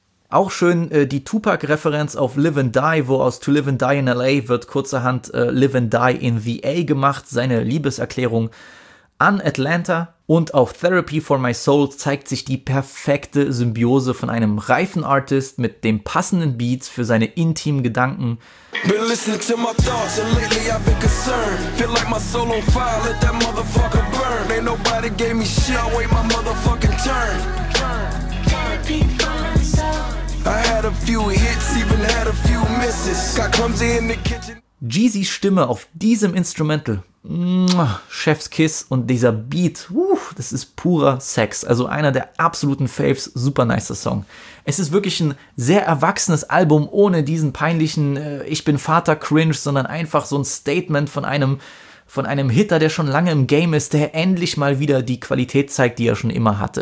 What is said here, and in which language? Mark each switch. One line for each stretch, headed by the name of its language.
German: Auch schön die Tupac-Referenz auf Live and Die, wo aus To Live and Die in L.A. wird kurzerhand Live and Die in the A gemacht, seine Liebeserklärung an Atlanta. Und auf Therapy for My Soul zeigt sich die perfekte Symbiose von einem reifen Artist mit dem passenden Beat für seine intimen Gedanken.
English: Been listening to my thoughts and lately I've been concerned. Feel like my soul on fire, let that motherfucker burn. Ain't nobody gave me shit, I'll wait my motherfucking turn. Therapy for my soul. I had a few hits, even had a few misses. Got clumsy in the kitchen.
German: Jeezy's Stimme auf diesem Instrumental. Chef's Kiss und dieser Beat, das ist purer Sex, also einer der absoluten Faves, super nicer Song. Es ist wirklich ein sehr erwachsenes Album, ohne diesen peinlichen Ich-bin-Vater-Cringe, sondern einfach so ein Statement von einem Hitter, der schon lange im Game ist, der endlich mal wieder die Qualität zeigt, die er schon immer hatte.